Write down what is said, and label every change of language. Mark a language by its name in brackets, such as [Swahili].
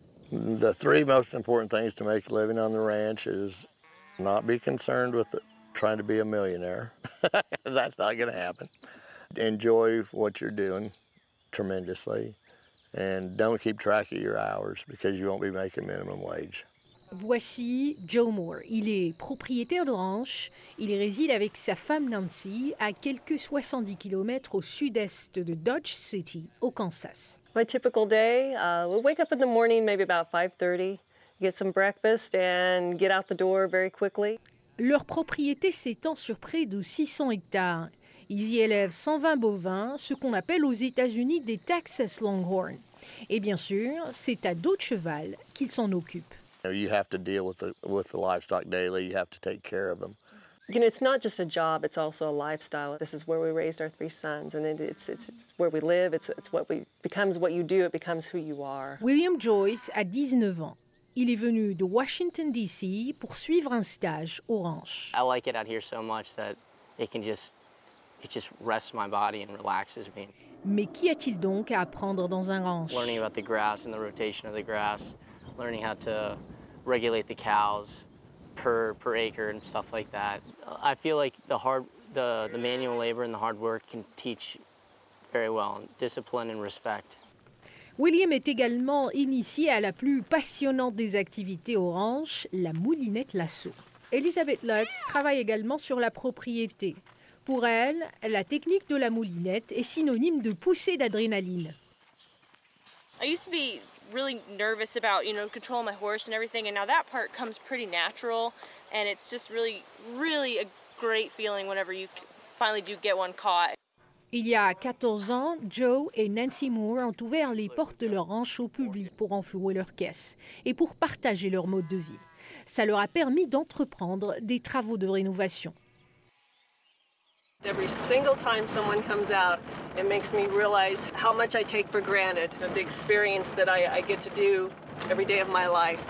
[English] The three most important things to make a living on the ranch is not be concerned with trying to be a millionaire. That's not going to happen. Enjoy what you're doing tremendously. And don't keep track of your hours because you won't be making minimum wage. [French] Voici Joe Moore. Il est propriétaire de ranch. Il réside avec sa femme Nancy à quelques 70 km au sud-est de Dodge City, au Kansas. [English] My typical day, we'll wake up in the morning, maybe about 5:30, get some breakfast and get out the door very quickly. [French] Leur propriété s'étend sur près de 600 hectares. Ils y élèvent 120 bovins, ce qu'on appelle aux États-Unis des Texas Longhorn. Et bien sûr, c'est à dos de cheval qu'ils s'en occupent. [English] You know, you have to deal with the livestock daily, you have to take care of them. You know, it's not just a job, it's also a lifestyle. This is where we raised our three sons, and it's where we live, it's what we becomes what you do, it becomes who you are. [French] William Joyce a 19 ans. Il est venu de Washington DC pour suivre un stage au ranch. [English] I like it out here so much that it just rests my body and relaxes me. [French] Mais qu'y a-t-il donc à apprendre dans un ranch? [English] Learning about the grass and the rotation of the grass, learning how to regulate the cows per acre and stuff like that. I feel like the manual labor and the hard work can teach very well, discipline and respect. [French] William est également initié à la plus passionnante des activités au ranch, la moulinette lasso. Elizabeth Lutz travaille également sur la propriété. Pour elle, la technique de la moulinette est synonyme de poussée d'adrénaline. [English] I used to be really nervous about, you know, controlling my horse and everything, and now that part comes pretty natural, and it's just really, really a great feeling whenever you finally do get one caught. [French] Il y a 14 ans, Joe et Nancy Moore ont ouvert les portes de leur ranch au public pour enflouer leurs caisses et pour partager leur mode de vie. Ça leur a permis d'entreprendre des travaux de rénovation. [English] Every single time someone comes out, it makes me realize how much I take for granted the experience that I get to do every day of my life.